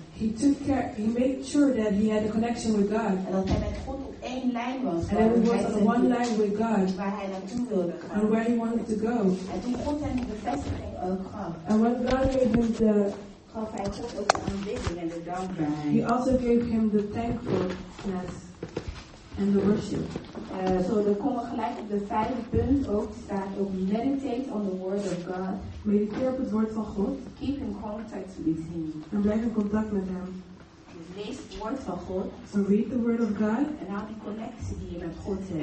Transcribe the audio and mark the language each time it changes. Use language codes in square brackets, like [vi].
[en] He took care, he made sure that he had a connection with God. [nl] En dat hij met God op één lijn was. [en] And that he was on one line with God. [nl] Waar hij naartoe wilde gaan. [en] And where he wanted to go. [nl] En toen God hem de bevestiging ook gaf. [en] And when God gave him the he also gave him the thankfulness and the worship. So we come [nl] gelijk op de vijfde punt ook staat ook [en] meditate on the word of God. [nl] Mediteer op het woord van God. [en] Keep in contact with him. [nl] En blijf in contact met hem. Lees het woord van God. [en] So read the word of God. [nl] En houd die connectie die je met God hebt.